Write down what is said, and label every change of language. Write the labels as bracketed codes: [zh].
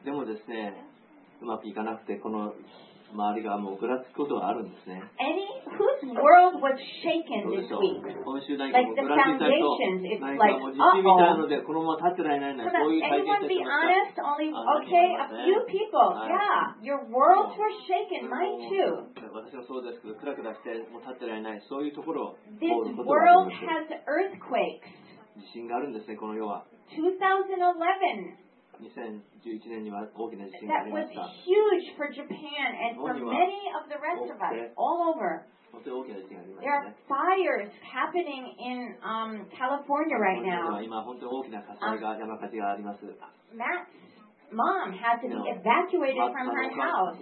[ja] でもですね、うまくいかなくてこの周りがもうぐらつくことがあるんですね。 [en] Whose world was shaken this week? Like the foundations, it's like, anyone be honest? Only, okay, a few people. Yeah, your worlds were shaken, mine too. This world has earthquakes. [ja] 地震があるんですね、この世は。 2011 年には大きな地震がありました。 [en] That was huge for Japan and for many of the rest of us, all over. There are fires happening in California right now. Matt's mom had to be evacuated from her house.